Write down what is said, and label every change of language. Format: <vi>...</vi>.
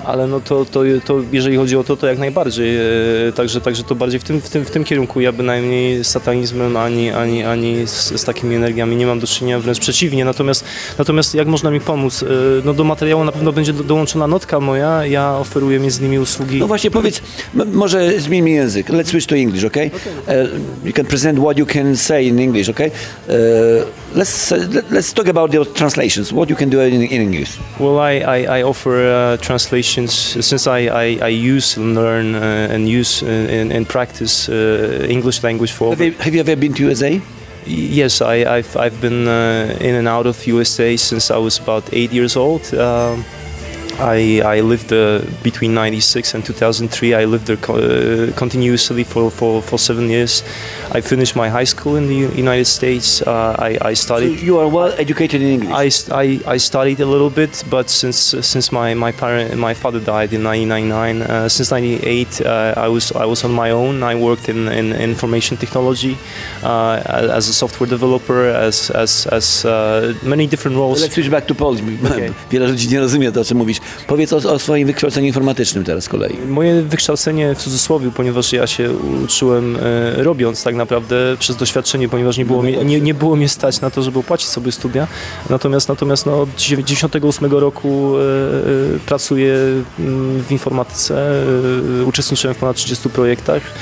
<pl>Ale no to jeżeli chodzi o to jak najbardziej. Także to bardziej w tym kierunku. Ja bynajmniej z satanizmem ani z takimi energiami nie mam do czynienia, wręcz przeciwnie. Natomiast jak można mi pomóc? No do materiału na pewno będzie dołączona notka moja. Ja oferuję między innymi usługi. No właśnie, powiedz, może zmieńmy język.</pl> <en>Let's switch to English, okay? You can present what you can say in English, okay? Let's talk about your translations. What you can do in English? Well, I offer translations since I use and learn and use and practice English language for. Have you ever been to USA? Yes, I've been in and out of USA since I was about 8 years old. I lived between 96 and 2003. I lived there continuously for 7 years. I finished my high school in the United States. I studied. So you are well educated in English. I studied a little bit, but since my father died in 1999, since 98, I was on my own. I worked in information technology as a software developer, as many different roles. Let's switch back to Poland.</en> <pl>Wiele ludzi nie rozumie to, o czym mówisz. Powiedz o swoim wykształceniu informatycznym teraz z kolei. Moje wykształcenie w cudzysłowie, ponieważ ja się uczyłem robiąc tak naprawdę przez doświadczenie, ponieważ nie było mnie stać na to, żeby opłacić sobie studia. Natomiast no, od 98 roku pracuję w informatyce, uczestniczyłem w ponad 30 projektach.</pl>